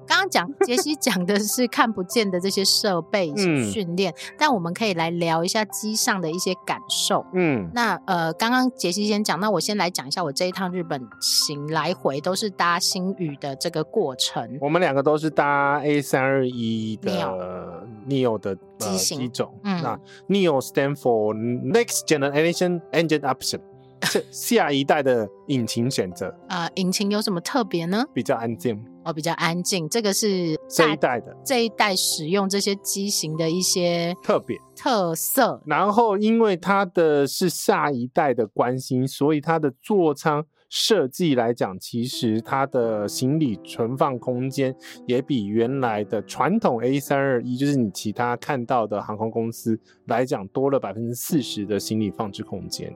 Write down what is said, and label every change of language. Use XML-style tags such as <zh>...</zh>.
<zh>刚刚讲杰西讲的是看不见的这些设备训练但我们可以来聊一下机上的一些感受。那刚刚杰西先讲，那我先来讲一下我这一趟日本行来回都是搭星宇的这个过程。我们两个都是搭 A321 的 NEO 的机型种。</zh> <en>那 NEO stand for Next Generation Engine Option，下一代的引擎选择。</en> <zh>引擎有什么特别呢？比较安静。哦，比较安静，这个是这一代的，这一代使用这些机型的一些特别特色。然后因为它的是下一代的关系，所以它的座舱设计来讲，其实它的行李存放空间也比原来的传统 A321 就是你其他看到的航空公司来讲多了 40% 的行李放置空间。</zh>